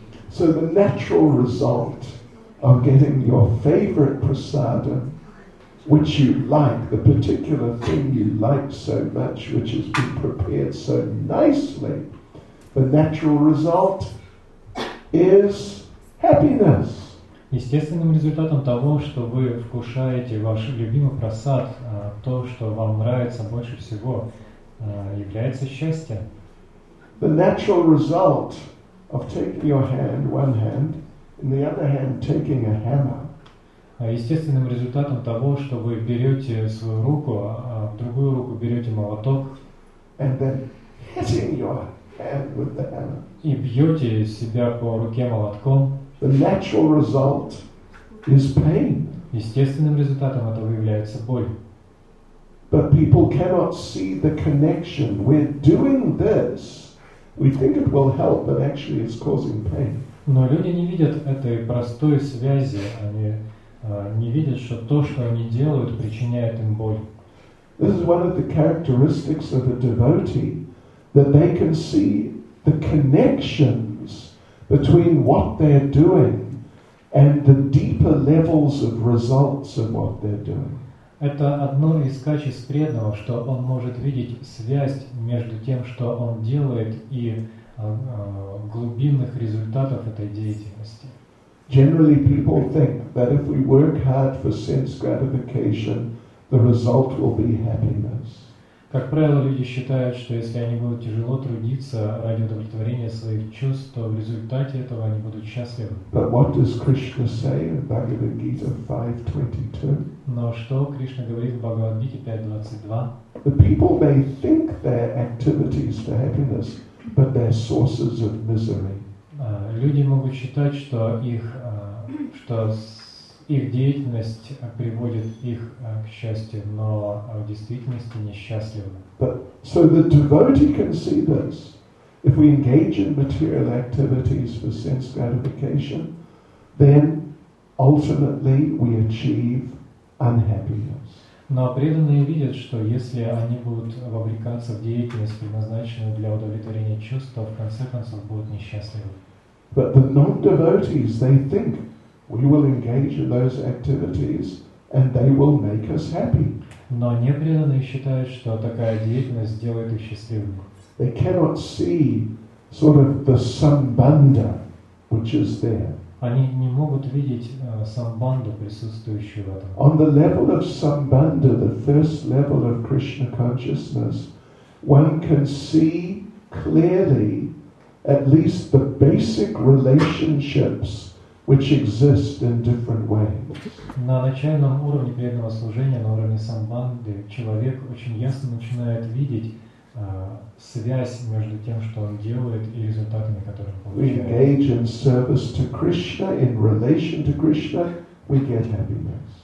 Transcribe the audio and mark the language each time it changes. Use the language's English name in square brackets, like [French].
[English] So the natural result of getting your favorite prasada, which you like, the particular thing you like so much, which has been prepared so nicely, the natural result is happiness. [Russian] Естественным результатом того, что вы вкушаете ваш любимый прасад, то, что вам нравится больше всего, является счастье. [English] The natural result of taking your hand, one hand, and the other hand taking a hammer. [Russian] Естественным результатом того, что вы берете свою руку, а в другую руку берете молоток, [English] and then hitting your hand with the hammer. [Russian] И бьете себя по руке молотком. [English] The natural result is pain. [Russian] Естественным результатом этого является боль. [English] But people cannot see the connection. We're doing this. We think it will help, but actually it's causing pain. [Russian] Но люди не видят этой простой связи. Они не видят, что то, что они делают, причиняет им боль. [English] This is one of the characteristics of a devotee, that they can see the connections between what they're doing and the deeper levels of results of what they're doing. [Russian] Это одно из качеств преданного, что он может видеть связь между тем, что он делает, и глубинных результатов этой деятельности. [English] Generally, people think that if we work hard for sense gratification, the result will be happiness. [Russian] Как правило, люди считают, что если они будут тяжело трудиться ради удовлетворения своих чувств, то в результате этого они будут счастливы. [English] But what does Krishna say in Bhagavad Gita 5:22? [Russian] Но что Кришна говорит в Бхагавад-гите 5:22? [English] The people may think their activities for happiness, but they're sources of misery. [Russian] Люди могут считать, что их деятельность приводит их к счастью, но в действительности несчастливы. [English] But, so the devotee can see this. If we engage in material activities for sense gratification, then ultimately we achieve unhappiness. [Russian] Но преданные видят, что если они будут вовлекаться в деятельность, предназначенную для удовлетворения чувств, то в конце концов будут несчастливы. [English] But the non-devotees, they think, we will engage in those activities, and they will make us happy. [Russian] Но непреданные считают, что такая деятельность сделает их счастливыми. [English] They cannot see sort of the sambandha, which is there. [Russian] Они не могут видеть самбанду, присутствующую в этом. [English] On the level of sambandha, the first level of Krishna consciousness, one can see clearly at least the basic relationships which exist in different ways. [Russian] На начальном уровне преданного служения, на уровне самбанды, человек очень ясно начинает видеть связь между тем, что он делает, и результатами, которые он получает. [English] We engage in service to Krishna, in relation to Krishna, we get happiness.